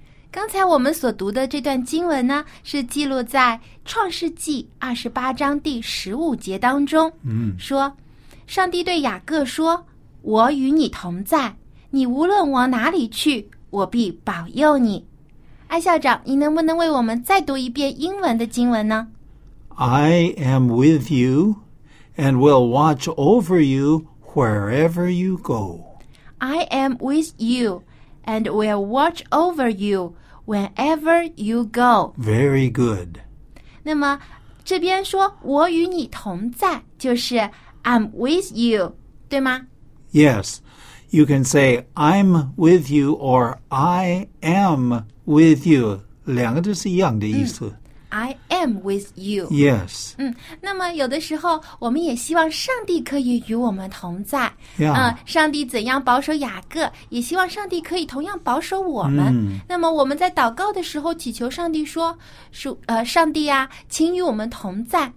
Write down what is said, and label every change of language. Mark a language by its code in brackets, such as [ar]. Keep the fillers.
[zh] 刚才我们所读的这段经文呢，是记录在《创世纪》二十八章第十五节当中。嗯，说上帝对雅各说。我与你同在，你无论往哪里去，我必保佑你。艾校长，你能不能为我们再读一遍英文的经文呢 [en] ？I am with you, and will watch over you wherever you go. I am with you, and will watch over you whenever you go. Very good. [zh] 那么，这边说我与你同在，就是 [en] I'm with you， [zh] 对吗？ [en] Yes. You can say, I'm with you or I am with you. [zh] 两个都是一样的意思。 [en] 嗯、I am with you. Yes. [zh] 嗯，那么有的时候我们也希望上帝可以与我们同在。 [en] <Yeah. [zh] S 2> 嗯，上帝怎样保守雅各，也希望上帝可以同样保守我们。嗯、那么我们在祷告的时候祈求上帝说：“是呃，上帝啊，请与我们同在。